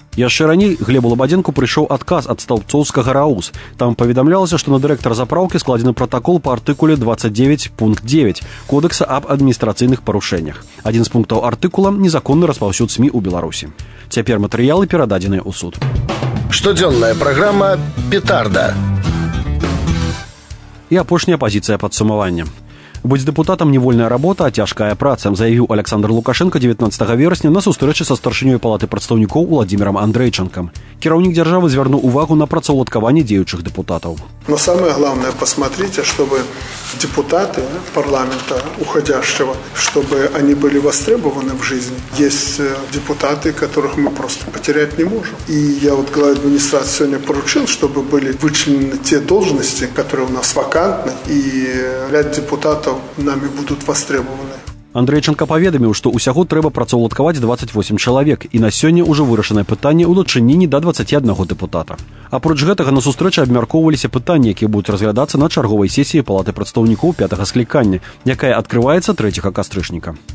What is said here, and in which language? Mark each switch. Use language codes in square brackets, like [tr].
[be] Яшчэ раней Глебу Лабадзенку прыйшоў адказ ад Стаўбцоўскага РАУС. Там паведамлялася, што на дырэктара запраўкі складзены пратакол па артыкуле 29.9 Кодэкса аб адміністрацыйных парушэннях. Адзін з пунктаў артыкула – незаконны распаўсюд СМІ ў Беларусі. Цяпер матэрыялы перададзеныя ў суд. Штодзённая праграма «Петарда». І апошняя пазіцыя падсумавання. Быць дэпутатам не вольная работа, а цяжкая праца, заявіў Александр Лукашэнка 19 верасня на сустрэчы са старшынёй палаты прадстаўнікоў Уладзімірам Андрэйчанкам. Кіраўнік дзяржавы звярнуў увагу на працаўладкаванне дзеючых дэпутатаў. [ru] Но самае главное, пасмотрите, чтобы депутаты парламента уходящего, чтобы они были востребованы в жизни. Есть депутаты, которых мы просто потерять не можем. И я вот главе администрации сегодня поручил, чтобы были вычленены те должности, которые у нас вакантны, и ряд депутатов нами будут востребованы. [be] Андрэйчанка паведаміў, што ўсяго трэба працаўладкаваць 28 чалавек, і на сёння ўжо вырашанае пытанне ў дачыненні да 21 дэпутата. Апроч гэтага на сустрэчы абмяркоўваліся пытанні, якія будуць разглядацца на чарговай сесіі Палаты прадстаўнікоў 5-га склікання, якая адкрываецца 3-га кастрычніка.